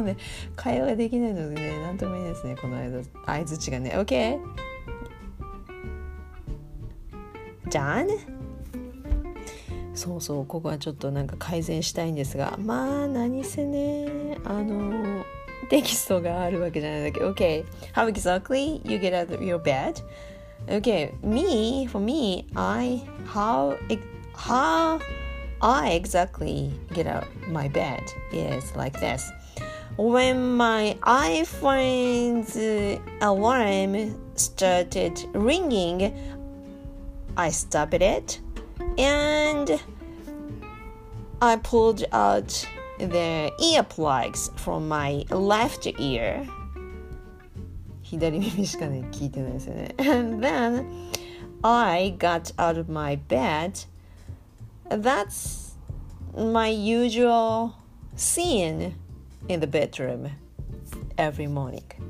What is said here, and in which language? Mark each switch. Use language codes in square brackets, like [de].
[ja] 、ね、会話ができないのでね、なんともいいですね、この間。あいつちがね。 [en] OK? Done? [ja] そうそう、ここはちょっとなんか改善したいんですが、まあ何せね、テキストがあるわけじゃないんだけど。 OK? [en] How exactly you get out of your bed? Okay, me, for me, how I exactly get out of my bed is like this. When my iPhone's alarm started ringing, I stopped it and I pulled out the earplugs from my left ear. [ja] 左耳しかね聞いてないですよね。 [en] And then I got out of my bed. That's my usual scene in the bedroom every morning.